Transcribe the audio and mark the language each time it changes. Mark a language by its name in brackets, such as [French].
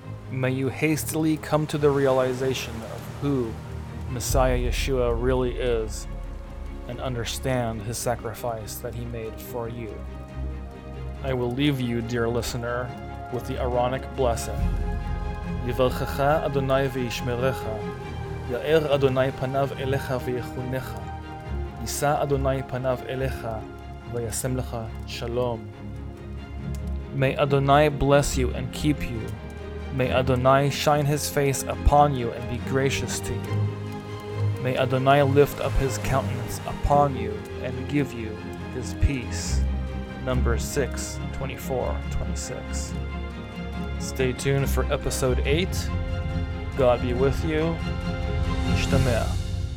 [English] May you hastily come to the realization of who Messiah Yeshua really is, and understand his sacrifice that he made for you. I will leave you, dear listener, with the Aaronic blessing. [Hebrew] יברכך אדוני וישמרך, יאר אדוני פניו אליך ויחונך, יישא אדוני פניו אליך וישם לך שלום. [English] May Adonai bless you and keep you. May Adonai shine his face upon you and be gracious to you. May Adonai lift up his countenance upon you and give you his peace. Numbers 6:24-26. Stay tuned for episode 8. God be with you. Ishtamea.